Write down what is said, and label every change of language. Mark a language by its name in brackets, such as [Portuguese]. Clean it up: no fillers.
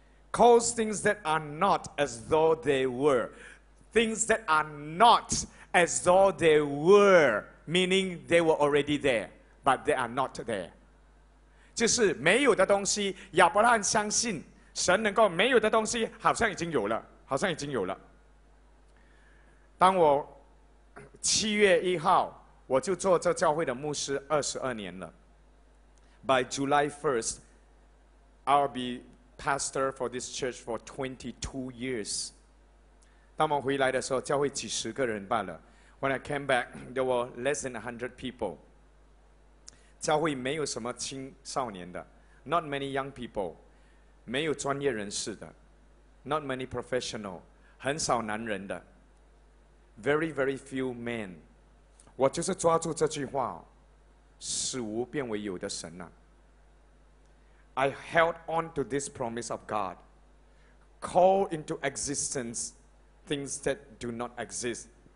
[English] Calls things that are not as though they were. Things that are not as though they were. Meaning they were already there, but they are not there. [Chinese] 就是没有的东西，亚伯拉罕相信神能够没有的东西，好像已经有了，好像已经有了。当我7月1号，我就做这教会的牧师22年了。 [English] By July 1st, I'll be pastor for this church for 22 years. [Chinese] 当我回来的时候，教会几十个人罢了。 [English] When I came back, there were less than 100 people. [Chinese] 教会没有什么青少年的 ， [English] not many young people. [Chinese] 没有专业人士的 ， [English] not many professional. [Chinese] 很少男人的 ， [English] very very few men. [Chinese] 我就是抓住这句话，死无变为有的神呐。 [English] I held on to this promise of God. Call into existence things that do not exist.